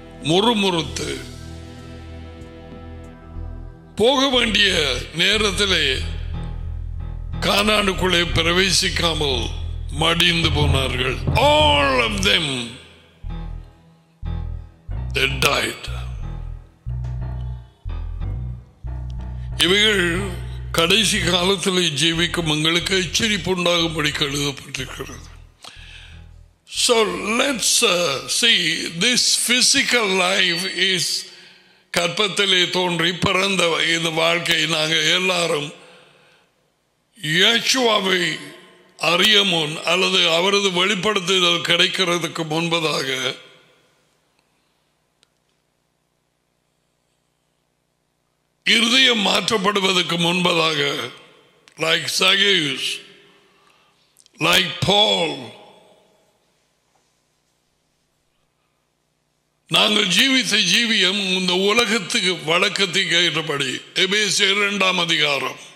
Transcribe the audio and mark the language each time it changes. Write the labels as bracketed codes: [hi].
[ta] முறுமுறுத்து போக வேண்டிய நேரத்திலே கானானுக்குள்ளே பிரவேசிக்காமல் மடிந்து போனார்கள். [en] All of them, they died. [ta] இவைகள் கடைசி காலத்தில் ஜீவிக்கும் எங்களுக்கு எச்சரிப்பு உண்டாகும்படி கழுவப்பட்டிருக்கிறது. [en] So let's see, this physical life is [ta] கற்பத்திலே தோன்றி பிறந்த இந்த வாழ்க்கை. நாங்கள் எல்லாரும் யேசுவாவை அறிய முன் அல்லது அவரது வெளிப்படுத்துதல் கிடைக்கிறதுக்கு முன்பதாக இருதயம் மாற்றப்படுவதற்கு முன்பதாக, லைக் சகேயுஸ், லைக் பால், நாங்கள் ஜீவித்த ஜீவியம் இந்த உலகத்துக்கு வழக்கத்துக்கு ஏற்றபடி, எபேசியர் 2